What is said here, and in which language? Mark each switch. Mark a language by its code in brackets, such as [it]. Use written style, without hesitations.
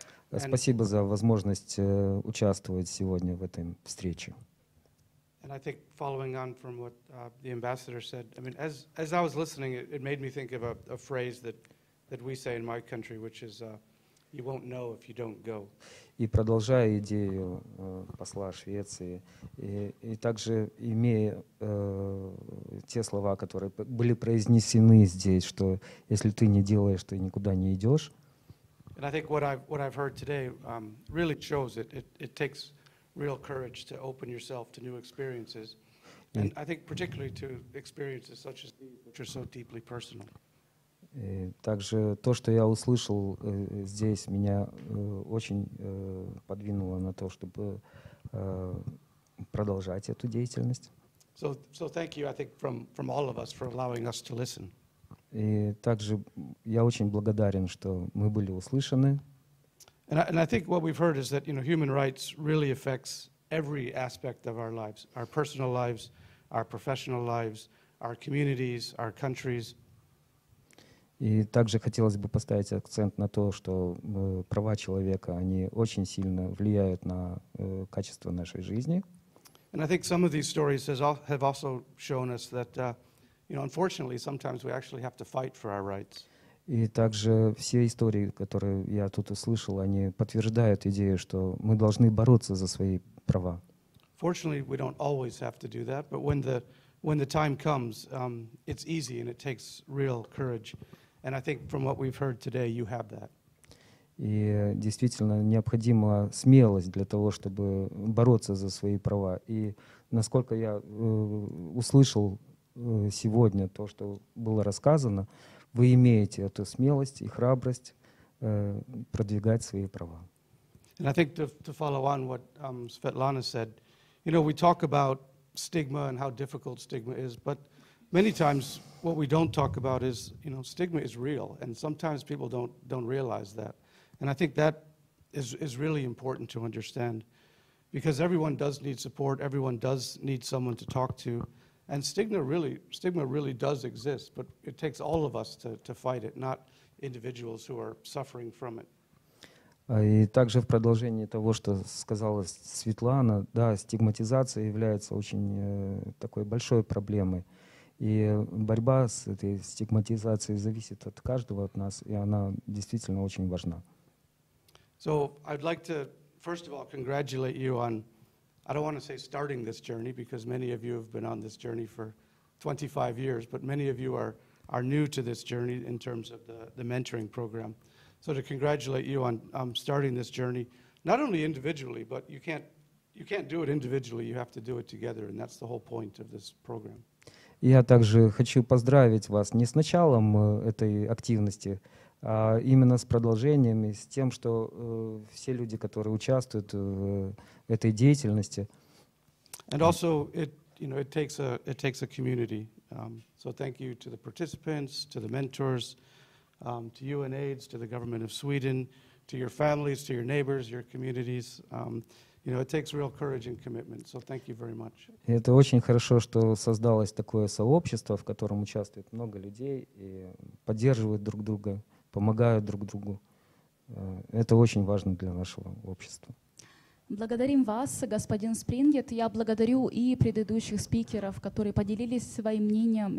[ru] Спасибо за возможность участвовать сегодня в этой встрече. [en] And I think following on from what the ambassador said, I mean, as I was listening, it made me think of a phrase that we say in my country, which is, you won't know if you don't go. [ru] И продолжая идею посла Швеции, и также имея те слова, которые были произнесены здесь, что если ты не делаешь, ты никуда не идешь. [en] And I think what I've heard today really shows it takes real courage to open yourself to new experiences, and I think particularly to experiences such as these, which are so deeply personal. [ru] Также то, что я услышал здесь, меня очень подвинуло на то, чтобы продолжать эту деятельность. [en] So thank you, I think, from all of us for allowing us to listen. [ru] И также я очень благодарен, что мы были услышаны. [en] And I think what we've heard is that, you know, human rights really affects every aspect of our lives, our personal lives, our professional lives, our communities, our countries. [ru] И также хотелось бы поставить акцент на то, что права человека, они очень сильно влияют на качество нашей жизни. [en] And I think some of these stories have also shown us that, you know, unfortunately, sometimes we actually have to fight for our rights. [ru] И также все истории, которые я тут услышал, они подтверждают идею, что мы должны бороться за свои права. [en] Fortunately, we don't always have to do that, but when the time comes, it's easy and it takes real courage. And I think from what we've heard today, you have that. [ru] И действительно необходима смелость для того, чтобы бороться за свои права. И насколько я услышал сегодня то, что было рассказано, вы имеете эту смелость и храбрость продвигать свои права. [en] And I think to follow on what Svetlana said, you know, we talk about stigma and how difficult stigma is, but many times what we don't talk about is, you know, stigma is real, and sometimes people don't realize that. And I think that is really important to understand, because everyone does need support, everyone does need someone to talk to. And stigma really does exist, but it takes all of us to fight it, not individuals who are suffering from it. [ru] И также в продолжении того, что сказала Светлана, да, стигматизация является очень такой большой проблемой. И борьба с этой стигматизацией зависит от каждого от нас, и она действительно очень важна. [en] So I'd like to first of all congratulate you on, I don't want to say starting this journey, because many of you have been on this journey for 25 years, but many of you are new to this journey in terms of the mentoring program. So to congratulate you on starting this journey, not only individually, but you can't do it individually, you have to do it together, and that's the whole point of this program. [ru] Я также хочу поздравить вас не с началом этой активности, а именно с продолжением и с тем, что все люди, которые участвуют в этой деятельности. [en] And also it takes a community. So thank you to the participants, to the mentors, to UNAIDS, to the government of Sweden, to your families, to your neighbors, your communities. You know, it takes real courage and commitment. So thank you very much. [ru] Это очень хорошо, что создалось такое сообщество, в котором участвует много людей и поддерживают друг друга, помогают друг другу. Это очень важно для нашего общества. Благодарим вас, господин Спрингет. Я благодарю и предыдущих спикеров, которые поделились своим мнением.